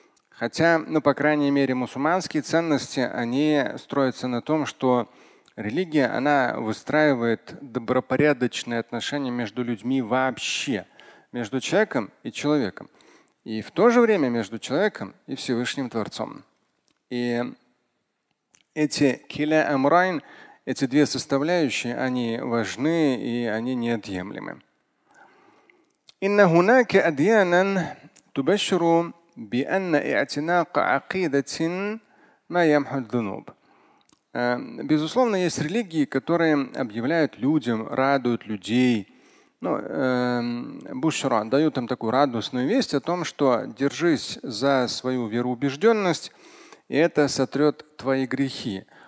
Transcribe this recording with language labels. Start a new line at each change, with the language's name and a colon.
Russian: Хотя, ну, по крайней мере, мусульманские ценности, они строятся на том, что религия, она выстраивает добропорядочные отношения между людьми вообще, между человеком и человеком. И в то же время между человеком и Всевышним Творцом. И эти киля амрайн, эти две составляющие, они важны и они неотъемлемы. Инна хунака адьянан тубашшуру
Arabic: بأن اعتناق عقيدة ما يمحو الذنوب.
Russian: Безусловно, есть религии, которые объявляют людям, радуют людей, ну, бушра, дают им такую радостную весть о том, что держись за свою вероубежденность, и это сотрет твои грехи.